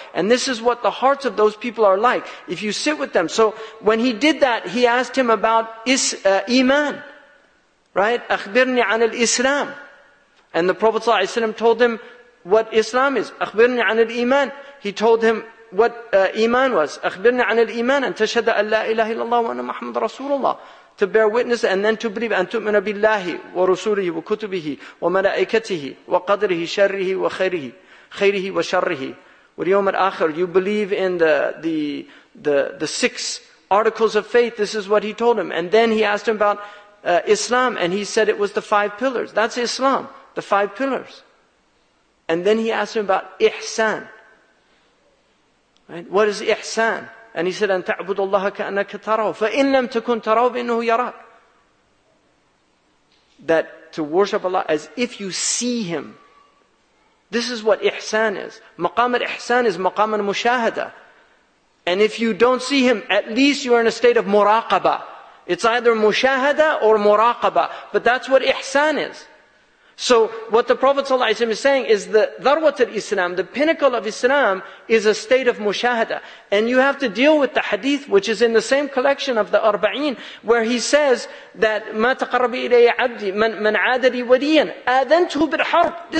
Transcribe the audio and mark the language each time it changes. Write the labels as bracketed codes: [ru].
[en] And this is what the hearts of those people are like. If you sit with them. So when he did that, he asked him about Iman. Right? [ar] أخبرني عن الإسلام. [en] And the Prophet ﷺ told him what Islam is. [ar] أخبرني عن الإيمان. [en] He told him what Iman was. [ar] أخبرني عن الإيمان. أن تشهد أن لا إله إلا الله وأن محمد رسول الله. [en] To bear witness and then to believe. [ar] أن تؤمن بالله ورسوله وكتبه وملائكته وقدره شره وخيره خيره وشره واليوم الآخر. [en] You believe in the six articles of faith. This is what he told him. And then he asked him about Islam, and he said it was the five pillars. That's Islam, the five pillars. And then he asked him about Ihsan. Right? What is Ihsan? And he said, [ar] أن تعبد الله كأنك تراه فإن لم تكن تراه فإنه يراك. [en] That to worship Allah as if you see Him. This is what Ihsan is. [ar] مقام الإحسان is مقام المشاهدة. [en] And if you don't see Him, at least you are in a state of مراقبة. It's either مشاهدة or مراقبة. But that's what Ihsan is. So what the Prophet ﷺ is saying is the dharwat al-Islam, the pinnacle of Islam, is a state of mushahada. And you have to deal with the hadith, which is in the same collection of the Arba'een, where he says that [ar] مَا تَقَرَّبِ إِلَيَّ عَبْدِي مَنْ عَادَرِي وَلِيًا أَذَنْتُهُ بِالْحَرْبِ.